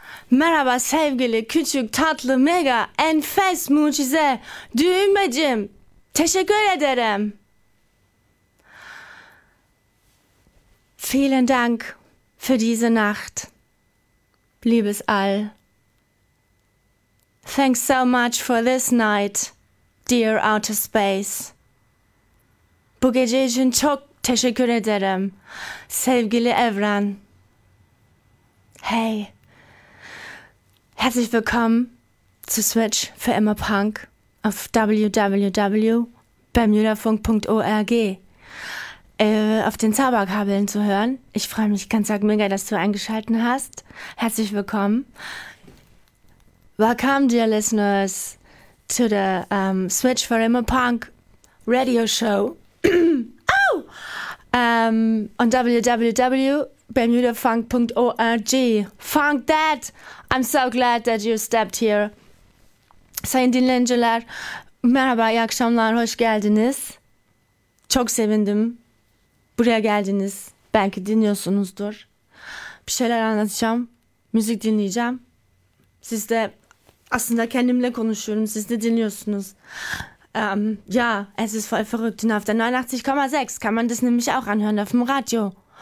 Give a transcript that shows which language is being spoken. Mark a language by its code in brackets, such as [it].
[tr] Merhaba sevgili küçük tatlı mega enfes mucize düğmecim. Teşekkür ederim. [de] Vielen Dank für diese Nacht, liebes All. [en] Thanks so much for this night, dear outer space. [tr] Bu gece için çok teşekkür ederim, sevgili Evren. [de] Hey, herzlich willkommen zu Switch für immer Punk auf www.bermudafunk.org. Auf den Zauberkabeln zu hören. Ich freue mich ganz arg mega, dass du eingeschaltet hast. Herzlich willkommen. [en] Welcome, dear listeners, to the Switch for Emo Punk Radio Show. Oh! On www.bermudafunk.org. Funk that! I'm so glad that you stepped here. [tr] Sayın dinleyiciler, merhaba, iyi akşamlar, hoş geldiniz. Çok sevindim. Buraya geldiniz. Belki dinliyorsunuzdur. Bir şeyler anlatacağım. Müzik dinleyeceğim. Siz de aslında kendimle konuşuyorum. Siz de dinliyorsunuz. [de] Ja, es ist voll verrückt. Und auf der 89,6 kann man das nämlich auch anhören auf dem Radio.